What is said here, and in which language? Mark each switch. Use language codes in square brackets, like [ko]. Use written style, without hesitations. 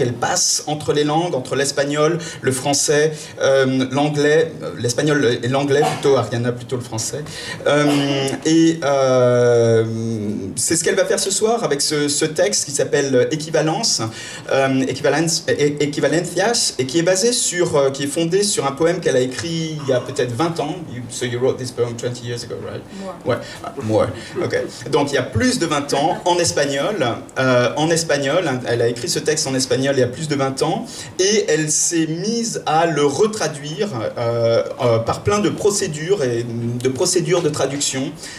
[fr] Elle passe entre les langues, entre l'espagnol, le français, l'anglais, l'espagnol et l'anglais, plutôt Ayanna, plutôt le français. C'est ce qu'elle va faire ce soir avec ce texte qui s'appelle Equivalence, Equivalencias, et qui est basé sur... qui est fondée sur un poème qu'elle a écrit il y a peut-être 20 ans. [en] So you wrote this poem 20 years ago, right? [fr] Moi. Donc il y a plus de 20 ans, en espagnol. Elle a écrit ce texte en espagnol il y a plus de 20 ans. Et elle s'est mise à le retraduire par plein de procédures et de procédures de traduction.